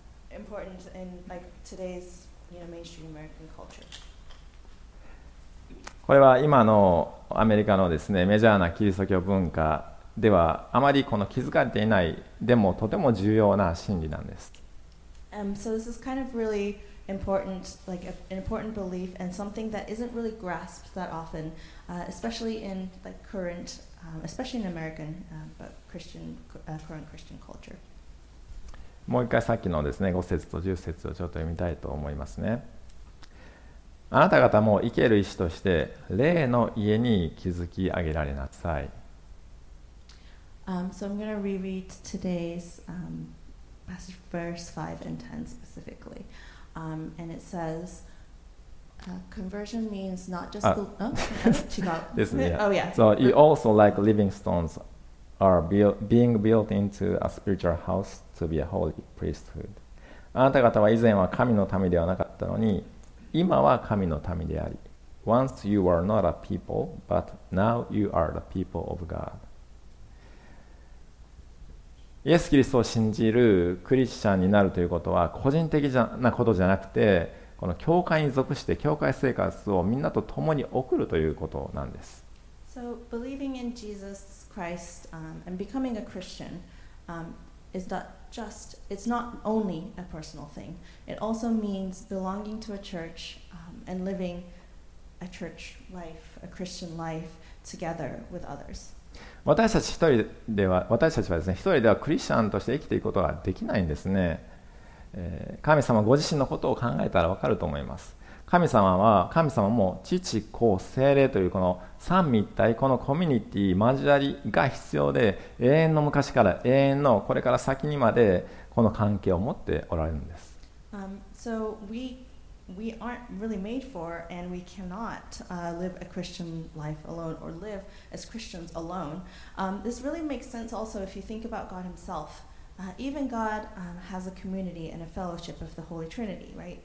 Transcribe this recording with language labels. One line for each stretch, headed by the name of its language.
English: important in like today's, you know, mainstream American culture.
Japanese: これは今のアメリカのですね、メジャーなキリスト教文化ではあまりこの気づかれていない、でもとても重要な真理なんです。
English: So this is kind of really important, like an important belief and something that isn't really grasped that often, especially in like current, especially in American, but Christian, current Christian culture.
Japanese: もう一回さっきのですね、5節と10節をちょっと読みたいと思いますね。あなた方も生ける石として霊の家に築き上げられなさい。
English: So I'm going to reread today's passage, verse 5 and 10 specifically. And it says, conversion means not just... Oh, yeah. So you also like living stones are being built into a spiritual house to be a holy priesthood.
Japanese: あなた方は以前は神の民ではなかったのに、今は神の民であり。
English: Once you were not a people, but now you are the people of God.
Japanese: イエス・キリストを信じるクリスチャンになるということは、個人的なことじゃなくて、この教会に属して教会生活をみんなと共に送るということなんです。
English: So, believing in Jesus Christ, and becoming a Christian, is not just, it's not only a personal thing. It also means belonging to a church, and living a church life, a Christian life together with others.
Japanese: 私たちはですね、一人ではクリスチャンとして生きていくことができないんですね。神様ご自身のことを考えたら分かると思います。神様も父子聖霊というこの三位一体、このコミュニティ交わりが必要で、永遠の昔から永遠のこれから先にまでこの関係を持っておられるんです。
English: So we aren't really made for and we cannot live a Christian life alone or live as Christians alone. This really makes sense also if you think about God himselfeven God has a community and a fellowship of the Holy Trinity, right?